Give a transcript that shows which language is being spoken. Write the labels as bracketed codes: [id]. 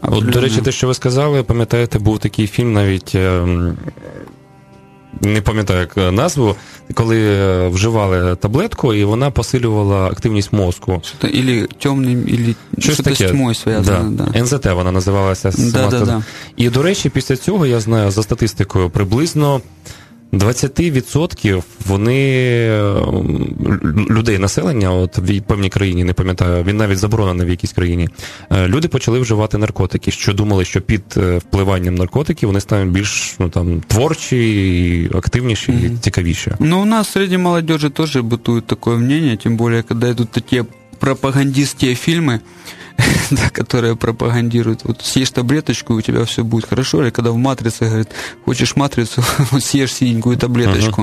[ru] Вот, до речи, то, что вы сказали, помните, был такой фильм, навіть, не помню, как назву, когда вживали таблетку, и она посилювала активность мозга. Что-то или темным, или что-то с тьмой связано. Да. Да. НЗТ она называлась. Да. [uk] И, до речи, [ru] после этого, я знаю, [uk] за статистикой, приблизно 20% вони людей населення, от в певній країні, не пам'ятаю, він навіть заборонений в якійсь країні. Люди почали вживати наркотики, що думали, що під впливанням наркотиків вони стануть більш, ну, там, творчі, активніші, mm-hmm, і цікавіші. Ну, у нас серед молоді теж бутує таке мнення, тим більше, коли йдуть такі пропагандистські фільми, да, [ru] которые пропагандируют. Вот съешь таблеточку, у тебя все будет хорошо. Или когда в «Матрице» говорят, хочешь «Матрицу», вот съешь синенькую таблеточку.